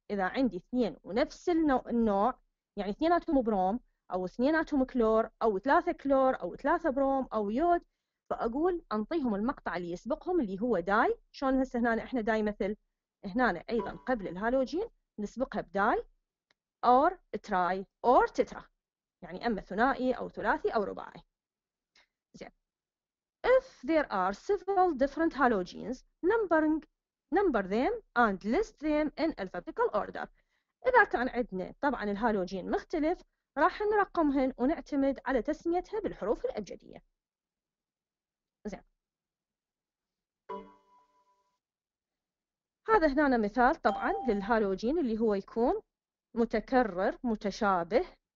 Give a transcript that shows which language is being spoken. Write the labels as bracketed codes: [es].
[ar] إذا عندي 2 ونفس النوع، يعني 2 أتوم بروم أو 2 أتوم كلور أو 3 كلور أو 3 بروم أو يود، فأقول أنطيهم المقطع اللي يسبقهم اللي هو داي. شلون هسه هنا إحنا داي مثل هنا أيضا قبل الهالوجين نسبقها بداي أو تراي أو تترا، يعني أما ثنائي أو ثلاثي أو رباعي. زين. [en] If there are several different halogens, number them and list them in alphabetical order. [ar] إذا كان عندنا طبعا الهالوجين مختلف راح نرقمهن ونعتمد على تسميتها بالحروف الأبجدية. زين. هذا هنا مثال طبعا للهالوجين اللي هو يكون متكرر متشابه.